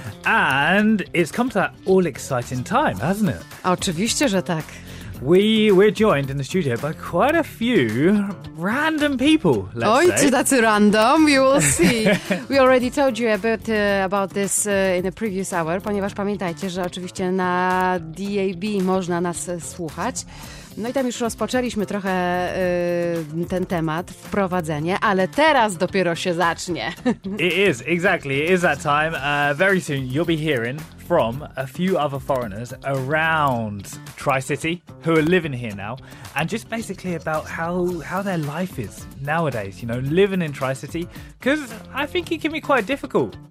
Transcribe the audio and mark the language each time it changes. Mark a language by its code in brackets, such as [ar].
[en] And it's come to that all-exciting time, hasn't it? [pl] Oczywiście, że tak. [en] We're joined in the studio by quite a few random people, let's say. Oh, that's random. We will see. We already told you a bit about this in the previous hour, [pl] ponieważ pamiętajcie, że oczywiście na DAB można nas słuchać. No i tam już rozpoczęliśmy trochę ten temat, wprowadzenie, ale teraz dopiero się zacznie. [en] It is, exactly. It is that time. Very soon you'll be hearing from a few other foreigners around Tri-City who are living here now and just basically about how their life is nowadays, you know, living in Tri-City, because I think it can be quite difficult.